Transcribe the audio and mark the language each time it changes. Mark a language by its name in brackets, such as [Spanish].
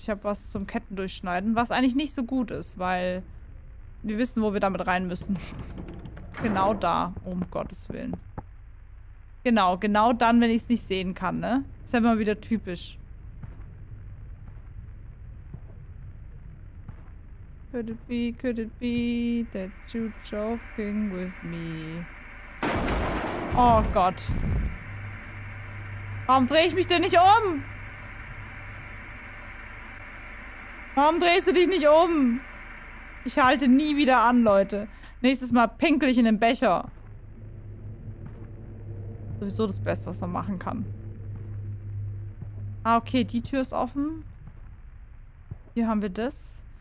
[German] Ich habe was zum Ketten durchschneiden. Was eigentlich nicht so gut ist, weil... Wir wissen, wo wir damit rein müssen. Genau da. Um Gottes Willen. Genau. Genau dann, wenn ich es nicht sehen kann, ne? Ist ja immer wieder typisch. [English] Could it be that you're joking with me? [German] Oh Gott. Warum drehe ich mich denn nicht um? Warum drehst du dich nicht um? Ich halte nie wieder an, Leute. Nächstes Mal pinkel ich in den Becher. Sowieso das Beste, was man machen kann. Ah, okay, die Tür ist offen. Hier haben wir das.